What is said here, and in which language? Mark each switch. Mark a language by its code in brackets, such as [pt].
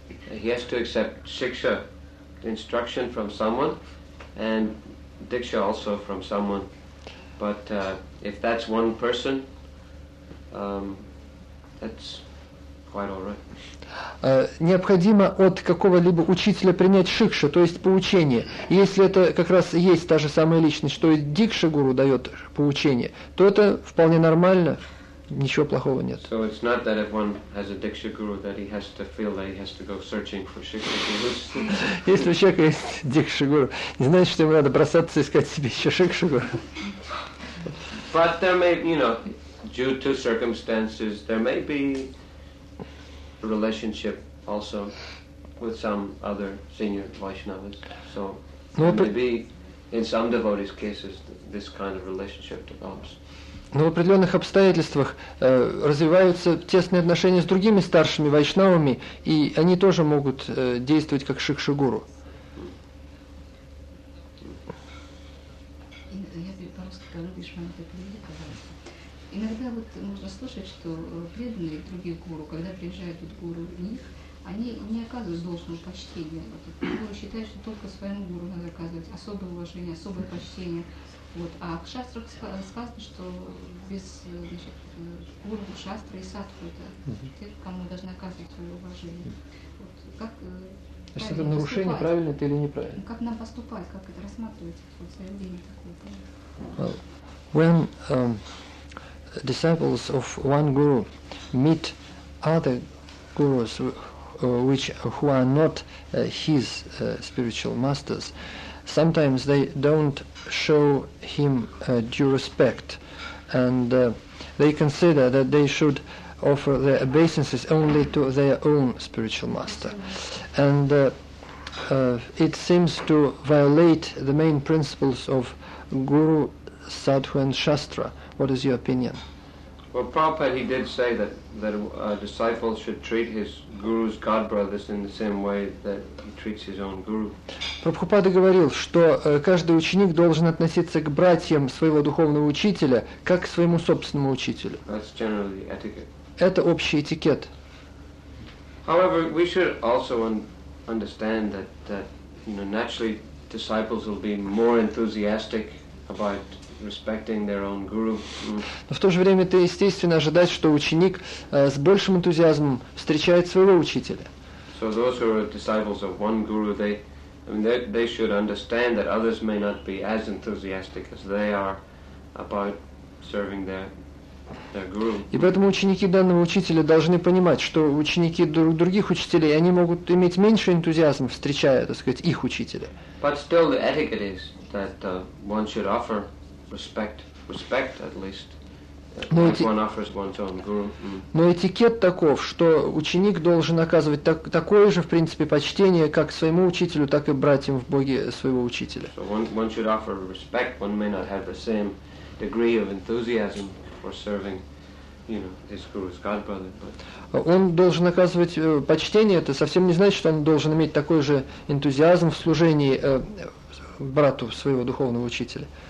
[en] He has to accept shiksha, the instruction from someone, and diksha also from someone. But if that's one person, that's quite all right. [ru] Необходимо от какого-либо учителя принять шикша, то есть поучение. И если это как раз есть та же самая личность, что и дикша гуру дает поучение, то это вполне нормально. Ничего плохого нет. [en] So it's not that if one has a diksha guru that he has to feel that he has to go searching for shiksha gurus. [ru] Если у человека есть дикша гуру, не значит, что ему надо бросаться искать себе еще шикша гуру. [en] But there may, you know, due to circumstances, there may be a relationship also with some other senior Vaishnavas. So no, maybe in some devotees' cases, this kind of relationship develops. [ru] Но в определенных обстоятельствах развиваются тесные отношения с другими старшими вайшнавами, и они тоже могут действовать как шикшигуру. Я по-русски говорю, Вишванта, приведи, пожалуйста. Иногда вот можно слышать, что преданные другие гуру, когда приезжают вот гуру в них, они не оказывают должного почтения. Вот, гуру считает, что только своему гуру надо оказывать особое уважение, особое почтение. Вот. А в шастрах сказано, что без, значит, гуру, шастры и садху, это те, кому должны оказывать свое уважение. Вот. Как то есть это нарушение, поступать? Правильно это или неправильно? Как нам поступать, как это рассматривать, вот, заявление такое? [en] Well, when disciples of one guru meet other gurus who are not his spiritual masters, sometimes they don't show him due respect, and they consider that they should offer their obeisances only to their own spiritual master. And it seems to violate the main principles of guru, sadhu, and shastra. What is your opinion? Well, Prabhupada, he did say that a disciple should treat his guru's godbrothers in the same way that he treats his own guru. [ru] Прабхупада говорил, что каждый ученик должен относиться к братьям своего духовного учителя как к своему собственному учителю. [en] That's generally etiquette. [ru] Это общий этикет. [en] However, we should also understand that you know, naturally disciples will be more enthusiastic about respecting their own guru. [ru] Но в то же время это естественно ожидать, что ученик с большим энтузиазмом встречает своего учителя. [en] So those who are disciples of one guru, they should understand that others may not be as enthusiastic as they are about serving their guru. [ru] И поэтому ученики данного учителя должны понимать, что ученики других учителей, они могут иметь меньше энтузиазма, встречая, так сказать, их учителя. [en] But still the etiquette is that one should offer respect at least, if one offers one's own guru. [ru] Но этикет таков, что ученик должен оказывать такое же, в принципе, почтение как своему учителю, так и братьям в Боге своего учителя. [en] So one should offer respect. One may not have the same degree of enthusiasm for serving, you know, his guru's godbrother. [ru] Он должен оказывать почтение. Это совсем не значит, что он должен иметь такой же энтузиазм в служении брату своего духовного учителя.